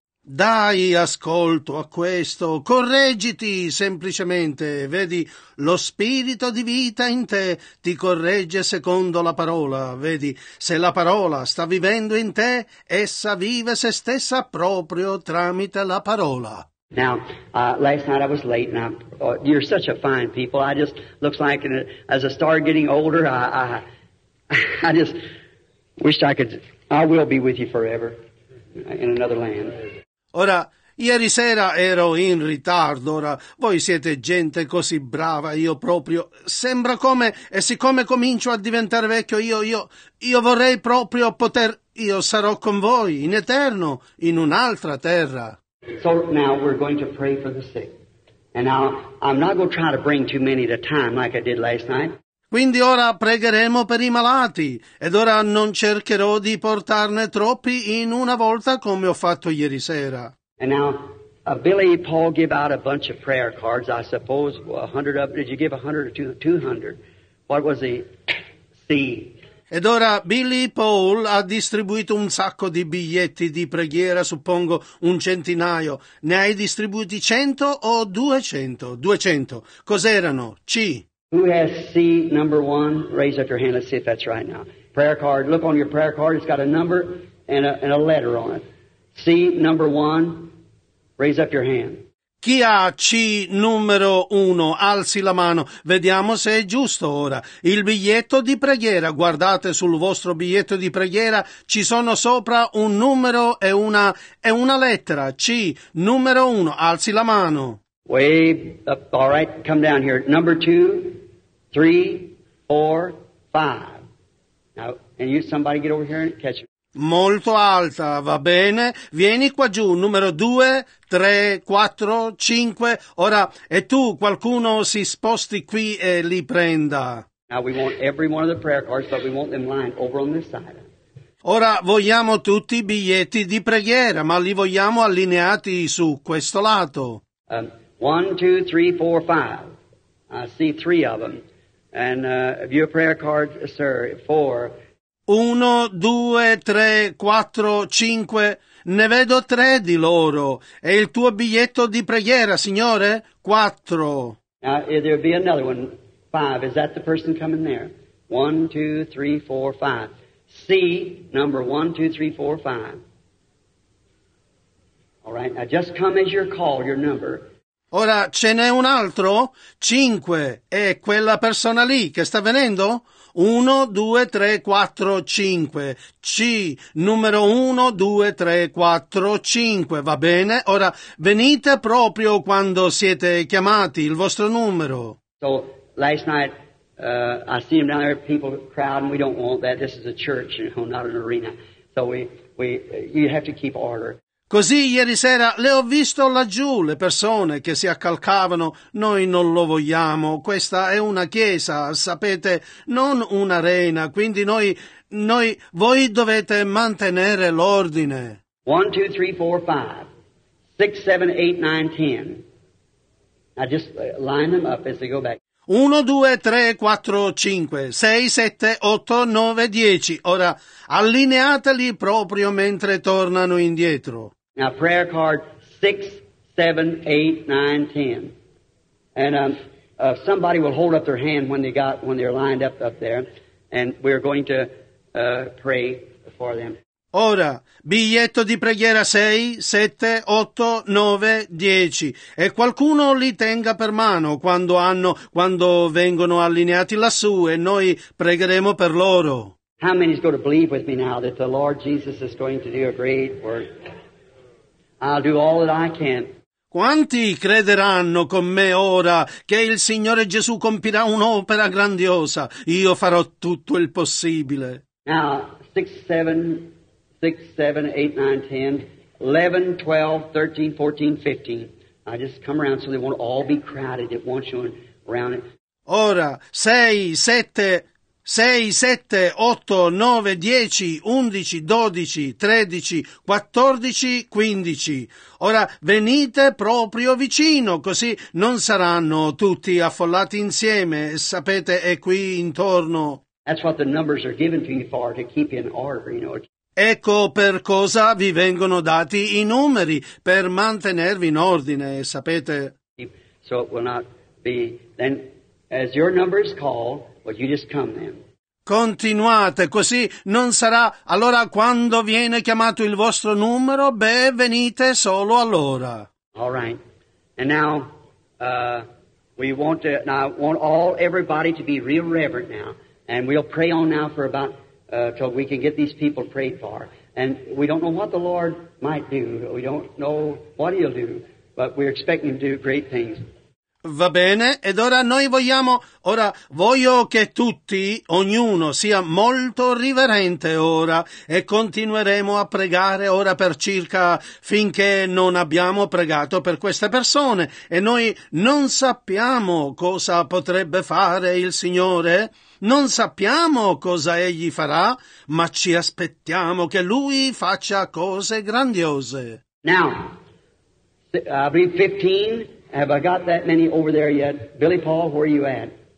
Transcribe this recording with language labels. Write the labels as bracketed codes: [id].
[it] Dai ascolto a questo. Correggiti semplicemente. Vedi, lo Spirito di vita in te ti corregge secondo la parola. Vedi, se la parola sta vivendo in te, essa vive se stessa proprio tramite la parola. [en] Now, last night I was late, and you're such a fine people. I just, looks like, as I started getting older, I just wished I could, I will be with you forever in another land. [it] Ora, Ieri sera ero in ritardo, ora voi siete gente così brava, io proprio, sembra come, e siccome comincio a diventare vecchio, io vorrei proprio poter, io sarò con voi, in eterno, in un'altra terra. [en] So now we're going to pray for the sick. And now I'm not going to try to bring too many at a time like I did last night. [it] Quindi ora pregheremo per i malati, ed ora non cercherò di portarne troppi in una volta come ho fatto ieri sera. [en] And now, Billy Paul gave out a bunch of prayer cards, I suppose, 100 of them. Did you give 100 or 200? What was the theme? [it] Ed ora Billy Paul ha distribuito un sacco di biglietti di preghiera, suppongo un centinaio. Ne hai distribuiti 100 o 200? 200. Cos'erano? C. [en] Who has C number one? Raise up your hand. Let's see if that's right now. Prayer card. Look on your prayer card. It's got a number and a letter on it. C number one. Raise up your hand. [it] Chi ha C numero uno? Alzi la mano. Vediamo se è giusto ora. Il biglietto di preghiera. Guardate sul vostro biglietto di preghiera. Ci sono sopra un numero e una lettera. C numero uno. Alzi la mano. [en] Way up. All right, come down here. Number two, three, four, five. Now, can you somebody get over here and catch it? [it] Molto alta, va bene. Vieni qua giù, numero 2, 3, 4, 5. Ora, e tu, qualcuno si sposti qui e li prenda. [en] Now we want every one of the prayer cards, but we want them lined over on this side. [it] Ora vogliamo tutti i biglietti di preghiera, ma li vogliamo allineati su questo lato. [en] 1, 2, 3, 4, 5. I see three of them. And have you a prayer card, sir? 4. [it] 1, 2, 3, 4, 5, ne vedo 3 di loro. È il tuo biglietto di preghiera, signore? 4. [en] Now, there be another one. 5. Is that the person coming there? 1, 2, 3, 4, 5. C, number 1, 2, 3, 4, 5. All right, now just come as you're called, your number. [it] Ora, ce n'è un altro? 5. È quella persona lì che sta venendo? 1, 2, 3, 4, 5. C, numero 1, 2, 3, 4, 5. Va bene? Ora, venite proprio quando siete chiamati, il vostro numero. [en] So, last night, I see him down there, people crowding, we don't want that, this is a church, you know, not an arena. So, you have to keep order. [it] Così ieri sera le ho visto laggiù le persone che si accalcavano. Noi non lo vogliamo. Questa è una chiesa, sapete, non un'arena. Quindi voi dovete mantenere l'ordine. [en] 1, 2, 3, 4, 5, 6, 7, 8, 9, 10. Now just line them up as they go back. [it] 1, 2, 3, 4, 5, 6, 7, 8, 9, 10. Ora, allineateli proprio mentre tornano indietro. [en] Now, prayer card 6, 7, 8, 9, 10. And somebody will hold up their hand when they're lined up there. And we're going to pray for them. [it] Ora, biglietto di preghiera 6, 7, 8, 9, 10. E qualcuno li tenga per mano quando vengono allineati lassù e noi pregheremo per loro. [en] How many is going to believe with me now that the Lord Jesus is going to do a great work? I'll do all that I can. [it] Quanti crederanno con me ora che il Signore Gesù compirà un'opera grandiosa? Io farò tutto il possibile. [en] Now, 6, 7, 8, 9, 10, 11, 12, 13, 14, 15. I just come around so they won't all be crowded at once around it. [it] Ora, 6, 7, 8, 9, 10, 11, 12, 13, 14, 15. Ora venite proprio vicino, così non saranno tutti affollati insieme. Sapete, è qui intorno. [en] That's what the numbers are given to you for, to keep in order, you know. [it] Ecco per cosa vi vengono dati i numeri, per mantenervi in ordine, sapete? [en] So it will not be, then, as your number is called, well, you just come then. [it] Continuate, così non sarà. Allora, quando viene chiamato il vostro numero, beh, venite solo allora. [en] All right. And now, we want all everybody to be real reverent now, and we'll pray on now for about... So we can get these people prayed for. And we don't know what the Lord might do. We don't know what he'll do, but we're expecting him to do great things. [it] Va bene, ed ora noi vogliamo, ora voglio che tutti, ognuno, sia molto riverente ora e continueremo a pregare ora per circa finché non abbiamo pregato per queste persone e noi non sappiamo cosa potrebbe fare il Signore. Non sappiamo cosa egli farà, ma ci aspettiamo che lui faccia cose grandiose. [en] Now, read 15. Have I got that many over there yet? Billy Paul, where are you at?